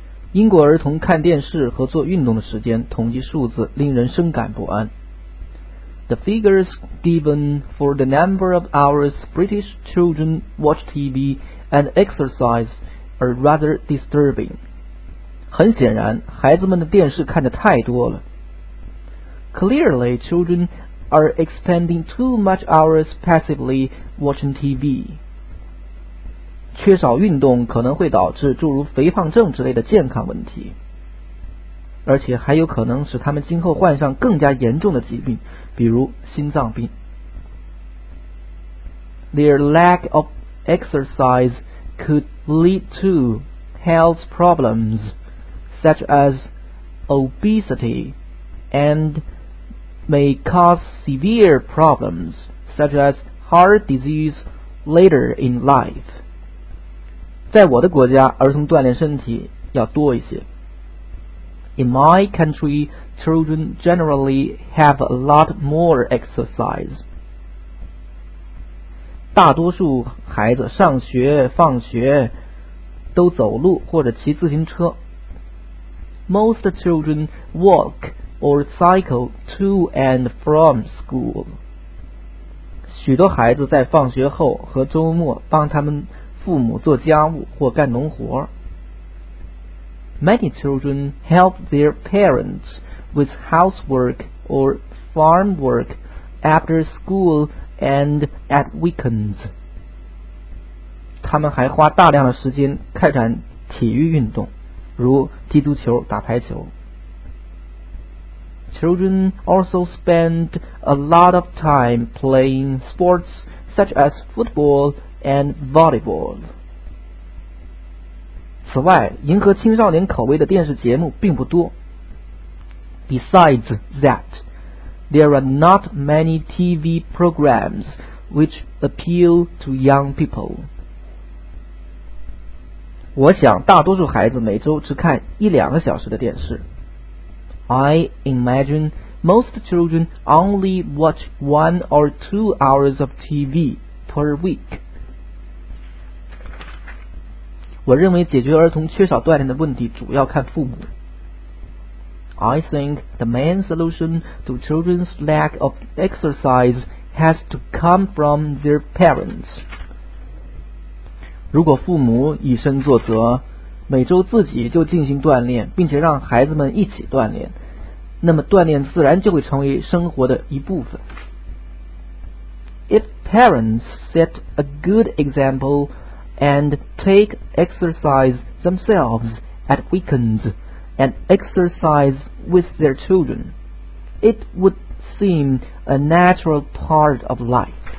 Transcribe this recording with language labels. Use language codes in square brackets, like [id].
[zh] 英国儿童看电视和做运动的时间统计数字令人深感不安。 [en] The figures given for the number of hours British children watch TV and exercise are rather disturbing. [zh] 很显然，孩子们的电视看得太多了。 [en] Clearly, children are expending too much hours passively watching TV. [zh] 缺少运动可能会导致诸如肥胖症之类的健康问题，而且还有可能使他们今后患上更加严重的疾病，比如心脏病。 [en] Their lack of exercise could lead to health problems such as obesity and may cause severe problems such as heart disease later in life. [zh] 在我的国家，儿童锻炼身体要多一些。 [en] In my country, children generally have a lot more exercise. [zh] 大多数孩子上学、放学都走路或者骑自行车。 [en] Most children walk or cycle to and from school. [zh] 许多孩子在放学后和周末帮他们父母做家务或干农活。 [en] Many children help their parents with housework or farm work after school and at weekends. [zh] 他们还花大量的时间开展体育运动，如踢足球、打排球。 [en] Children also spend a lot of time playing sports such as football. And volleyball. [zh] 此外，迎合青少年口味的电视节目并不多。 [en] Besides that, there are not many TV programs which appeal to young people. [zh] 我想大多数孩子每周只看一两个小时的电视。 [en] I imagine most children only watch 1 or 2 hours of TV per week. [zh] 我认为解决儿童缺少锻炼的问题主要看父母。 [en] I think the main solution to children's lack of exercise has to come from their parents. [zh] 如果父母以身作则，每周自己就进行锻炼，并且让孩子们一起锻炼，那么锻炼自然就会成为生活的一部分。 [en] If parents set a good example,and take exercise themselves at weekends and exercise with their children. It would seem a natural part of life.